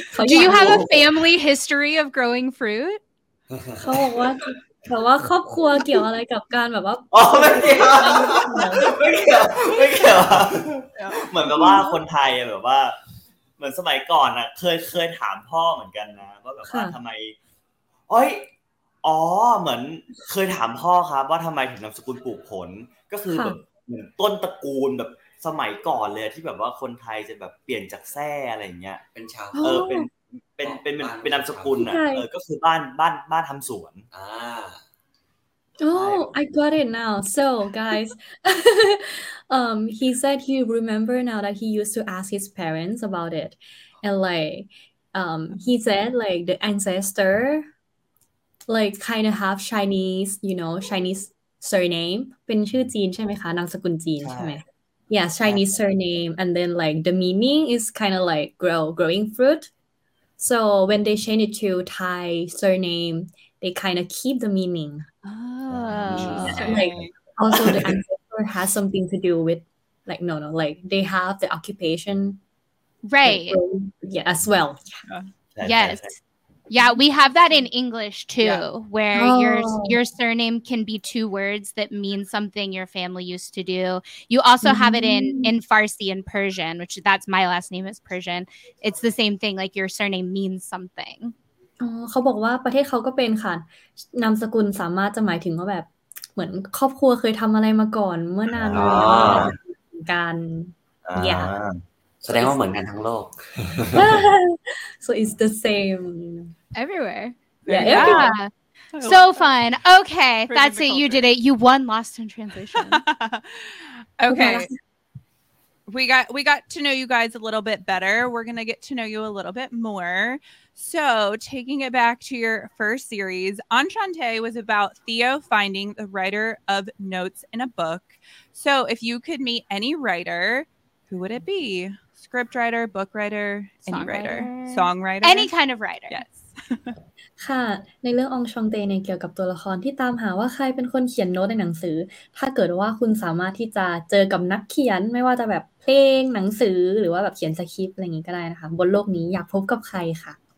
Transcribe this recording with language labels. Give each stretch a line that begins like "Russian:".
English: Do you have a family history of growing fruit?
Thai: เขาว่าครอบครัวเกี่ยวอะไรกับการแบบว่า อ๋อไม่เกี่ยวเหมือนกับว่าคนไทยแบบว่าเหมือนสมัยก่อนอ่ะเคยถามพ่อเหมือนกันนะว่าแบบว่าทำไมเอ้ยอ๋อเหมือนเคยถามพ่อครับว่าทำไมถึงนามสกุลปลูกผลก็คือแบบเหมือนต้นตระกูลแบบสมัยก่อนเลยที่แบบว่าคนไทยจะแบบเปลี่ยนจากแซ่อะไรเงี้ย เป็นชาว เป็นนามสกุลอ่ะก็คือบ้านทำสวน อ่า
English: Oh, I got it now. So, guys, he said he remember now that he used to ask his parents about it. And, like, he said, like, the ancestor, like, kind of have Chinese, you know, Chinese surname.
Thai: เป็นชื่อจีนใช่ไหมคะ นามสกุลจีนใช่ไหม
English: Yes, Chinese surname. And then, like, the meaning is kind of like growing fruit. So when they change it to Thai surname, they kind of keep the meaning. Oh. Like, also the ancestor has something to do with, like, no, like, they have the occupation. Right. Like, yeah, as well. Yes. Yeah, we have that in English, too, yeah. Where your surname can be two words that mean something your family used to do. You also mm-hmm. have it in Farsi and Persian, which that's my last name is Persian. It's the same thing, like your surname means something.
Thai: เขาบอกว่าประเทศเขาก็เป็นค่ะนามสกุลสามารถจะหมายถึงว่าแบบเหมือนครอบครัวเคยทำอะไรมาก่อนเมื่อนานการ อย่าแสดงว่าเหมือนกันทั้งโลก
English: so it's the same everywhere yeah, yeah. Everywhere. So fun okay Pretty that's it you did it you won Lost in Translation okay we got to know you guys a little bit better we're gonna get to know you a little bit more so taking it back to your first series Enchanté was about Theo finding the writer of notes in a book so if you could meet any writer who would it be scriptwriter book writer any writer songwriter any kind of writer yes
Thai: ค่ะในเรื่องอองชองเตเนี่ยเกี่ยวกับตัวละครที่ตามหาว่าใครเป็นคนเขียนโน้ตในหนังสือถ้าเกิดว่าคุณสามารถที่จะเจอกับนักเขียนไม่ว่าจะแบบเพลงหนังสือหรือว่าแบบเขียนสคริปต์อะไรอย่างงี้ก็ได้นะคะบนโลกนี้อยากพบกับใครค่ะ